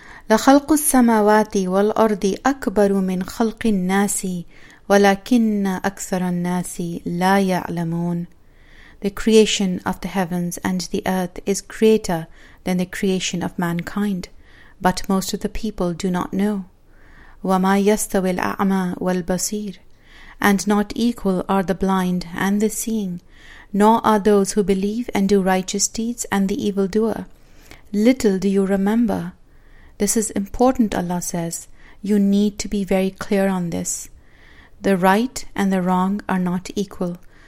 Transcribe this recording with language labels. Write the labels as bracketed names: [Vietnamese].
[Arabic] لخلق السماوات والأرض أكبر من خلق الناس ولكن أكثر الناس لا يعلمون. [English] The creation of the heavens and the earth is greater than the creation of mankind, but most of the people do not know. [Arabic] وما يستوي الأعمى والبصير. [English] And not equal are the blind and the seeing, nor are those who believe and do righteous deeds and the evildoer. Little do you remember. This is important, Allah says. You need to be very clear on this. The right and the wrong are not equal.